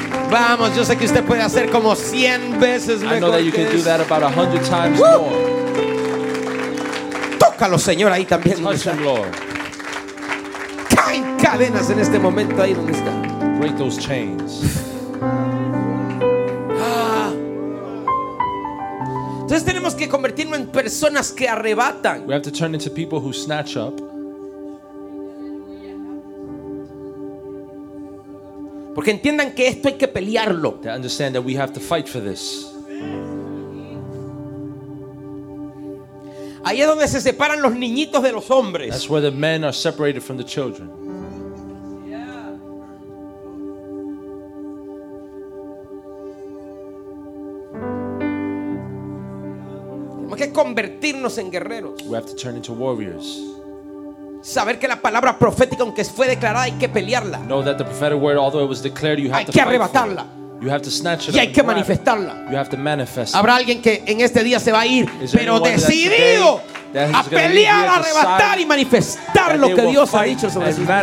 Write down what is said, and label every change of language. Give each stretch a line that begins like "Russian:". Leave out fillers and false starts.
Spanish: Vamos, yo sé que usted puede hacer como 100 veces mejor.
English: I know that you can do that about 100 times more.
Spanish: Tócalo, Señor, ahí también.
English: Touch him, Lord.
Spanish: Caen cadenas en este momento ahí donde está.
English: Break those chains.
Spanish: Entonces tenemos que convertirnos en personas que arrebatan.
English: We have to turn into people who snatch up.
Spanish: Porque entiendan que esto hay que pelearlo.
English: They understand that we have to fight for this.
Spanish: Ahí es donde se separan los niñitos de los hombres.
English: That's where the men are separated from the children.
Spanish: Convertirnos en guerreros.
English: We have to turn into warriors.
Spanish: Saber que la palabra profética, aunque fue declarada, hay que pelearla.
English: Know that the prophetic word, although it was declared, you have to
Spanish: arrebatarla.
English: You have to snatch it
Spanish: y hay que manifestarla.
English: You have to manifest.
Spanish: Habrá alguien que en este día se va a ir, pero decidido a pelear, arrebatar y manifestar lo que Dios ha dicho sobre su vida.